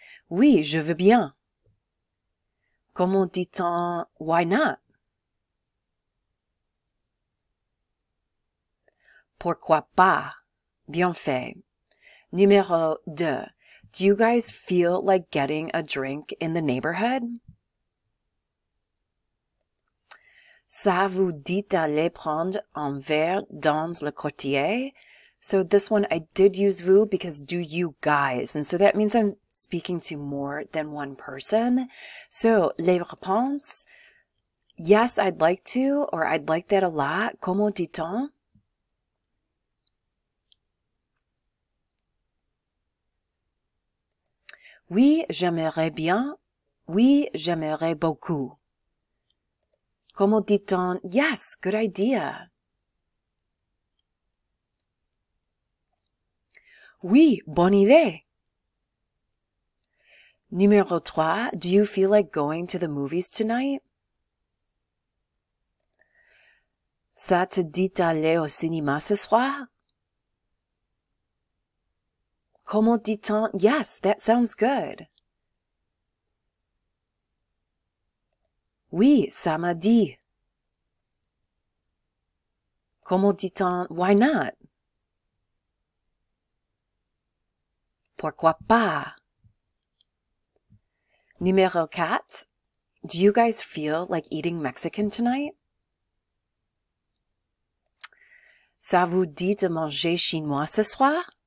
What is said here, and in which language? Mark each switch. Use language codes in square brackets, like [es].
[fr] Oui, je veux bien. Comment dit-on, [en] why not? [fr] Pourquoi pas? Bien fait. Numéro deux. [en] Do you guys feel like getting a drink in the neighborhood? [fr] Ça vous dit d'aller prendre un verre dans le quartier? [en] So this one, I did use vous because do you guys? And so that means I'm speaking to more than one person. So, [fr] les réponses, [en] yes, I'd like to, or I'd like that a lot. [fr] Comment dit-on? Oui, j'aimerais bien. Oui, j'aimerais beaucoup. Comment dit-on? [en] Yes, good idea. [fr] Oui, bonne idée. [en] Numéro 3, do you feel like going to the movies tonight? [fr] Ça te dit d'aller au cinéma ce soir? Comment dit-on? [en] Yes, that sounds good. [fr] Oui, ça m'a dit. Comment dit-on? [en] Why not? [fr] Pourquoi pas? [en] Numéro 4, do you guys feel like eating Mexican tonight? [fr] Ça vous dit de manger chinois ce soir?